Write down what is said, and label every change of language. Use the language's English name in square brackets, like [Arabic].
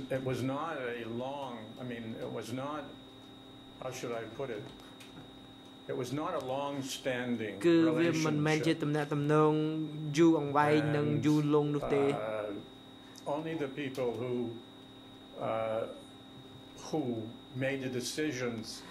[English] It was not a long I mean it was not how should I put it It was not a long standing [Khmer] គឺវាមិនមែនជាតំណែងយូរអង្វែងនិងយូរលងនោះទេ [English] Only the people whowho made the decisions